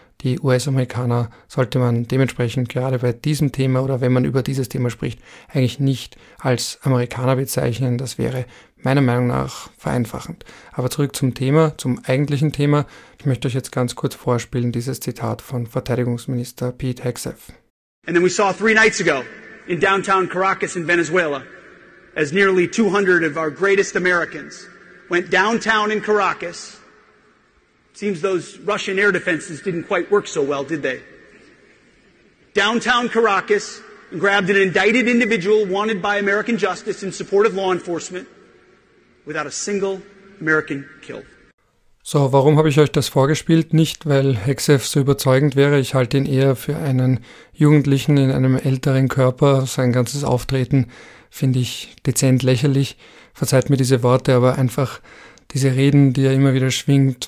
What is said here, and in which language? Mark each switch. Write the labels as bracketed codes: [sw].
[de] Die US-Amerikaner sollte man dementsprechend gerade bei diesem Thema oder wenn man über dieses Thema spricht, eigentlich nicht als Amerikaner bezeichnen. Das wäre meiner Meinung nach vereinfachend. Aber zurück zum Thema, zum eigentlichen Thema. Ich möchte euch jetzt ganz kurz vorspielen dieses Zitat von Verteidigungsminister Pete Hegseth. [en] And then we saw three nights ago in downtown Caracas in Venezuela as nearly 200 of our greatest Americans went downtown in Caracas. Seems those Russian air defenses didn't quite work so well, did they? Downtown Caracas and grabbed an indicted individual wanted by American justice in support of law enforcement without a single American killed. [de] So, warum habe ich euch das vorgespielt? Nicht, weil Hegseth so überzeugend wäre. Ich halte ihn eher für einen Jugendlichen in einem älteren Körper. Sein ganzes Auftreten finde ich dezent lächerlich. Verzeiht mir diese Worte, aber einfach diese Reden, die er immer wieder schwingt.